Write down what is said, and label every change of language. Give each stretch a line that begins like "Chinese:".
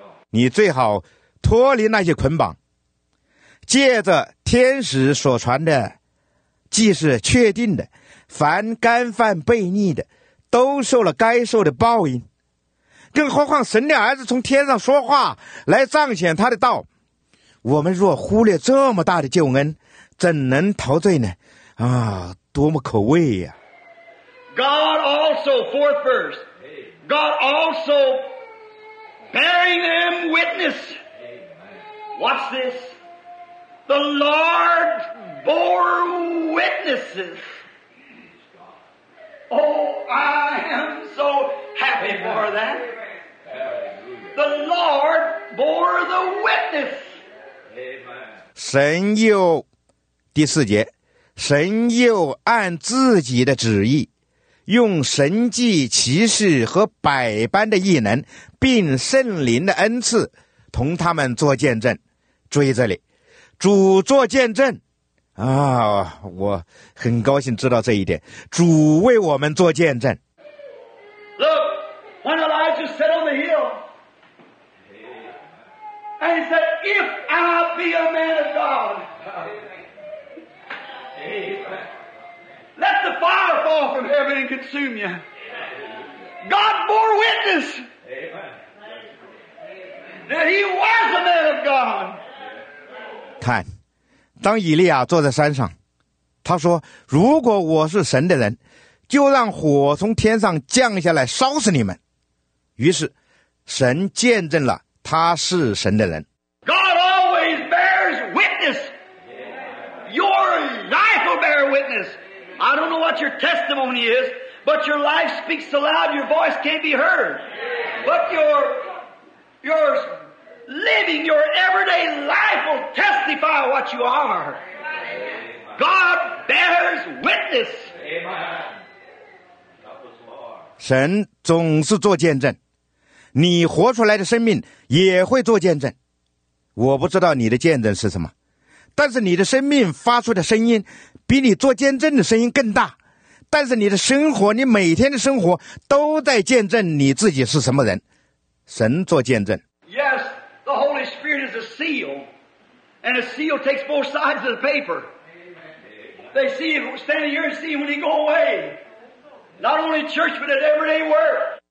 Chinese: 你最好脱离那些捆绑，借着天使所传的，既是确定的，凡干犯悖逆的都受了该受的报应，更何况神的儿子从天上说话来彰显他的道。我们若忽略这么大的救恩，怎能陶醉呢？啊，多么可畏呀！
English: God also forth firstGod also bearing them witness. Watch this. The Lord bore witnesses. Oh, I am so happy for that. The Lord bore the witness.
Chinese: 神又第四节，神又按自己的旨意用神迹奇事和百般的异能并圣灵的恩赐同他们做见证。注意这里，主做见证啊，我很高兴知道这一点，主为我们做见证。
English: Look, when Elijah sat on the hill and he said, if I be a man of God, amen, let the fire fall from heaven and consume you. God bore witness that he was a man of God.
Chinese: 看，当以利亚坐在山上，他说，如果我是神的人，就让火从天上降下来烧死你们。于是神见证了他是神的人。
English: God always bears witness. Your life will bear witness. I don't know what your testimony is, but your life speaks so loud your voice can't be heard. But your living, your everyday life will testify what you are. God bears witness.
Chinese: 神总是做见证，你活出来的生命也会做见证。我不知道你的见证是什么，但是你的生命发出的声音比你做见证的声音更大，但是你的生活，你每天的生活都在见证你自己是什么人。神做见证。
English: Yes, the Holy Spirit is a seal, and a seal takes both sides of the paper. They see it standing here and see it when you go away. Not only church, but at everyday work.